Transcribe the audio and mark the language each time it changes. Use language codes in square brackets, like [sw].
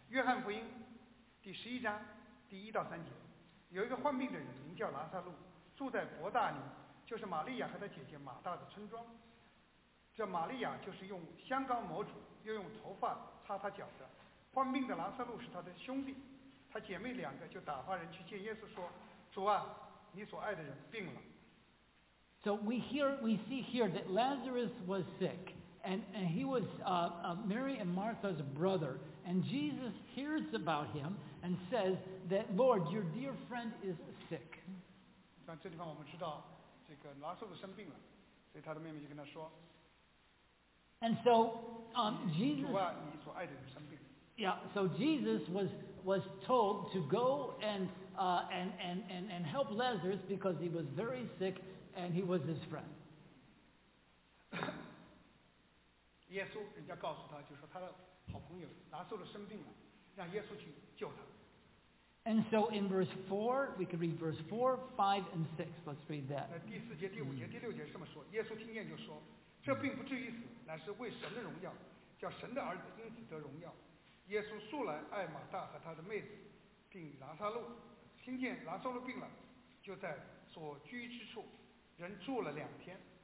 [zh] 约翰福音第十一章第一到三节，有一个患病的人名叫拉撒路，住在伯大尼，就是玛利亚和她姐姐马大的村庄。这玛利亚就是用香膏抹主，又用头发擦她脚的。患病的拉撒路是她的兄弟，她姐妹两个就打发人去见耶稣说，主啊，你所爱的人病了。 [en] So we see here that Lazarus was sick, and he was Mary and Martha's brother, and Jesus hears about him and says that, Lord, your dear friend is sick. [zh] 在这地方我们知道这个拉撒路生病了，所以他的妹妹就跟他说。 [en] And so Jesus, [zh] 主啊，你所爱的人生病了。 [en] Yeah, so Jesus was told to go and help Lazarus because he was very sick and he was his friend. [zh] 耶稣人家告诉他，就说他的好朋友拉撒路生病了，让耶稣去救他。 [en] And so in verse 4, we can read verse 4, 5, and 6. Let's read that. [zh] 第四节、第五节、第六节这么说，耶稣听见就说，这病不至于死，乃是为神的荣耀，叫神的儿子因此得荣耀。耶稣素来爱马大和他的妹子，并拉撒路。听见拉撒路病了，就在所居之处，人住了两天。